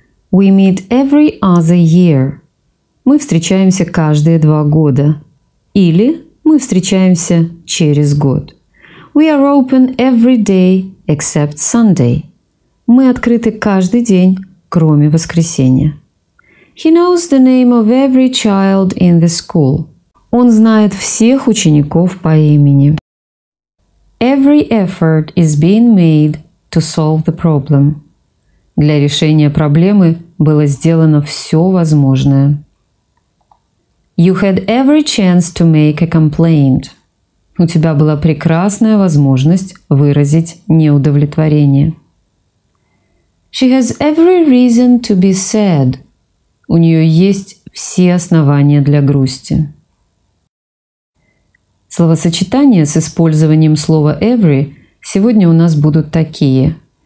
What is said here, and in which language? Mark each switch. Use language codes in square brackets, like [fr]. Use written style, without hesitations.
[en] We meet every other year. [ru] Мы встречаемся каждые два года. Или мы встречаемся через год. [en] We are open every day except Sunday. [ru] Мы открыты каждый день, кроме воскресенья. [en] He knows the name of every child in the school. [ru] Он знает всех учеников по имени. [en] Every effort is being made to solve the problem. [ru] Для решения проблемы было сделано все возможное. [en] You had every chance to make a complaint. [ru] У тебя была прекрасная возможность выразить неудовлетворение. [en] She has every reason to be sad. [ru] У нее есть все основания для грусти. Словосочетания с использованием слова every сегодня у нас будут такие.